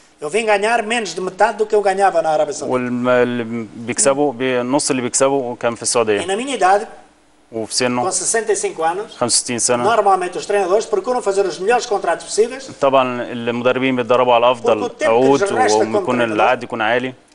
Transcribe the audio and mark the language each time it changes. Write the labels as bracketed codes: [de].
[pt] Eu vim ganhar menos de metade do que eu ganhava na Arábia Saudita. [ar] واللي بيكسبه بنص اللي بيكسبه كان في السعوديه. [pt] Na minha idade. [ar] وفي سنه 65 سنة [pt] نورمالمنت os treinadores procuram fazer os melhores contratos possíveis. [ar] طبعا المدربين بيتدربوا على افضل عقود ويكون العقد يكون عالي.